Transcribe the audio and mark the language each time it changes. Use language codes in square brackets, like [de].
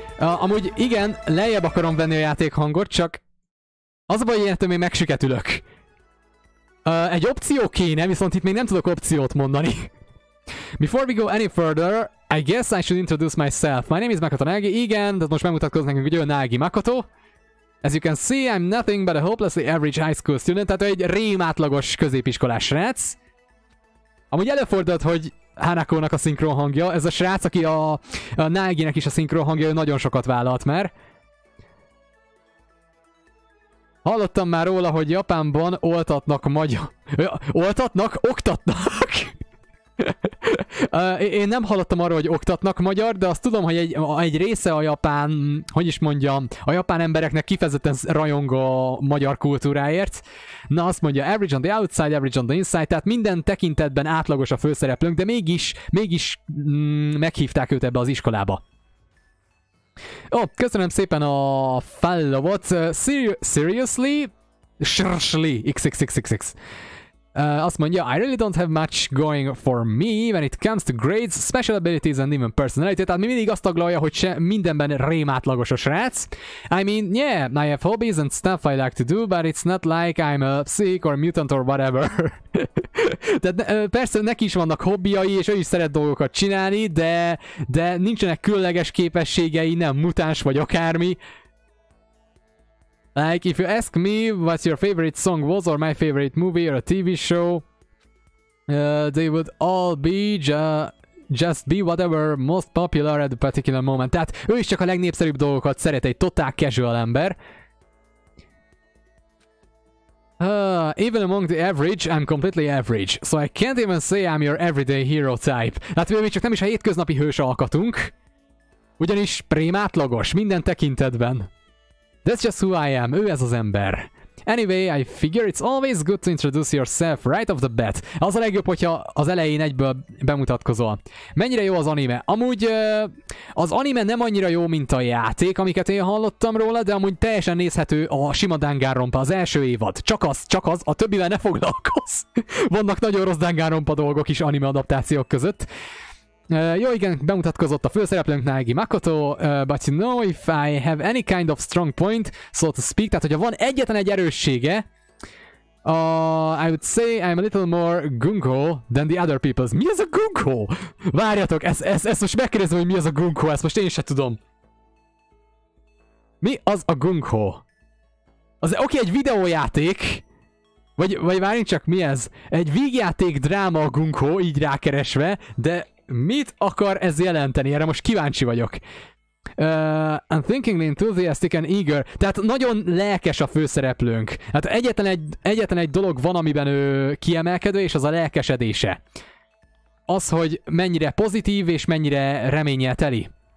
[hu] Amúgy igen, lejjebb akarom venni a játék hangot, csak... Az a baj, hogy én megsüketülök. Egy opció kéne, viszont itt még nem tudok opciót mondani. [en] Before we go any further, I guess I should introduce myself. My name is Makoto Naegi. [hu] Igen, de most megmutatkozz nekünk, hogy ő Naegi Makoto. [en] As you can see, I'm nothing but a hopelessly average high school student. [hu] Tehát egy rémátlagos középiskolás srác. Amúgy előfordult, hogy Hanako-nak a szinkron hangja. Ez a srác, aki a Naegi-nek is a szinkron hangja, ő nagyon sokat vállalt már. Hallottam már róla, hogy Japánban oltatnak magyar... Oltatnak? Oktatnak? Én nem hallottam arról, hogy oktatnak magyar, de azt tudom, hogy egy része a japán... Hogy is mondjam? A japán embereknek kifejezetten rajong a magyar kultúráért. Na azt mondja, [en] average on the outside, average on the inside, [hu] tehát minden tekintetben átlagos a főszereplőnk, de mégis meghívták őt ebbe az iskolába. Ó, köszönöm szépen a follow-ot. [en] Seriously? Srsli, xxxxx. [hu] Azt mondja, [en] I really don't have much going for me when it comes to grades, special abilities and even personality. [hu] Tehát mindig azt taglalja, hogy mindenben rémátlagos a srác. [en] I mean, yeah, I have hobbies and stuff I like to do, but it's not like I'm a psych or mutant or whatever. [hu] Tehát persze neki is vannak hobbiai, és ő is szeret dolgokat csinálni, de nincsenek különleges képességei, nem mutáns vagy akármi. [en] Like, if you ask me what your favorite song was, or my favorite movie, or a TV show, they would all be just be whatever most popular at the particular moment. [hu] Tehát ő is csak a legnépszerűbb dolgokat szeret, egy totál casual ember. [en] Even among the average, I'm completely average. So I can't even say I'm your everyday hero type. [hu] Hát mi csak nem is a hétköznapi hős alkatunk. Ugyanis prémátlagos minden tekintetben. [en] That's just who I am, [hu] ő ez az ember. [en] Anyway, I figure it's always good to introduce yourself right off the bat. [hu] Az a legjobb, hogyha az elején egyből bemutatkozol. Mennyire jó az anime? Amúgy az anime nem annyira jó, mint a játék, amiket én hallottam róla, de amúgy teljesen nézhető a sima Danganronpa, az első évad. Csak az, a többivel ne foglalkozz. Vannak nagyon rossz Danganronpa dolgok is anime adaptációk között. Jó, igen, bemutatkozott a főszereplőnk Naegi Makoto, [en] but you know, if I have any kind of strong point, so to speak, [hu] tehát hogyha van egyetlen egy erőssége, [en] I would say I'm a little more gung-ho than the other people. [hu] Mi az a gung-ho? Várjatok, ezt most megkérdezem, hogy mi az a gung-ho, ezt most én sem tudom. Mi az a gung-ho? Az oké, egy videójáték, Vagy várjunk csak, mi ez? Egy vígjáték dráma a Gung-ho, így rákeresve, de mit akar ez jelenteni? Erre most kíváncsi vagyok. [en] I'm thinking enthusiastic and eager. [hu] Tehát nagyon lelkes a főszereplőnk. Hát egyetlen egy dolog van, amiben ő kiemelkedő, és az a lelkesedése. Az, hogy mennyire pozitív, és mennyire reménnyel teli.